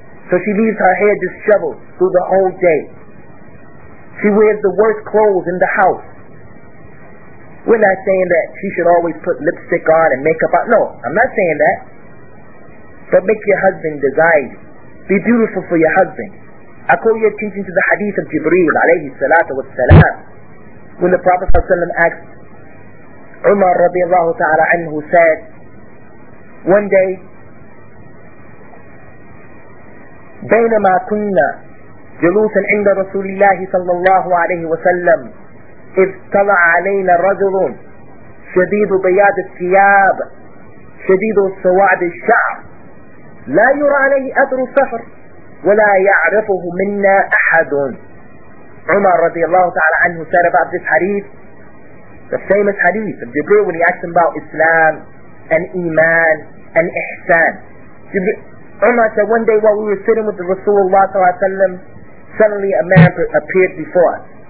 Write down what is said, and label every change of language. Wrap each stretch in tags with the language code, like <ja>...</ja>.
<en>So she leaves her hair disheveled through the whole day. She wears the worst clothes in the house. We're not saying that she should always put lipstick on and makeup on. No, I'm not saying that. But make your husband desire you. Be beautiful for your husband. I call your attention to the hadith of Jibreel alayhi salatu wa salam. When the Prophet asked Umar radiallahu ta'ala anhu, said, one day,</en> <ar>بينما كنا جلوسا عند رسول الله صلى الله عليه وسلم إذ طلع علينا رجل شديد بياض الثياب شديد السواد الشعر لا يرى عليه أثر صفر ولا يعرفه منا أحد. عمر رضي الله تعالى عنه</ar> <en>said about this hadith, the famous hadith of Jibreel when he asked him about Islam and Iman and Ihsan. Umar said, one day while we were sitting with the Rasulullah ﷺ, suddenly a man appeared before us.</en>